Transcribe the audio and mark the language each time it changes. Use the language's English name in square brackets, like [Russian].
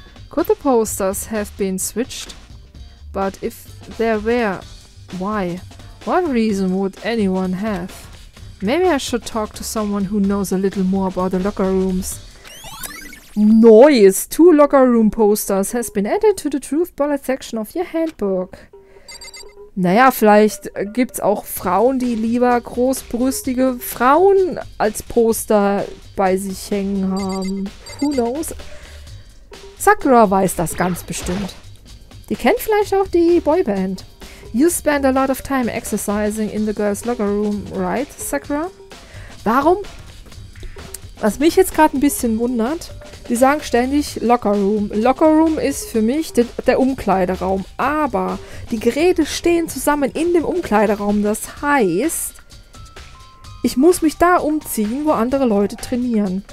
[English] Could the posters have been switched? But if there were, why? What reason would anyone have? Maybe I should talk to someone who knows a little more about the locker rooms. Noise! Two locker room posters has been added to the truth bullet section of your handbook. [German] Naja, vielleicht gibt's auch Frauen, die lieber großbrüstige Frauen als Poster bei sich hängen haben. [English] Who knows? [German] Sakura weiß das ganz bestimmt. Die kennt vielleicht auch die Boyband. [English] You spend a lot of time exercising in the girls' locker room, right, Sakura? [German] Warum? Was mich jetzt gerade ein bisschen wundert, die sagen ständig Locker Room. Locker Room ist für mich der Umkleideraum. Aber die Geräte stehen zusammen in dem Umkleideraum. Das heißt, ich muss mich da umziehen, wo andere Leute trainieren.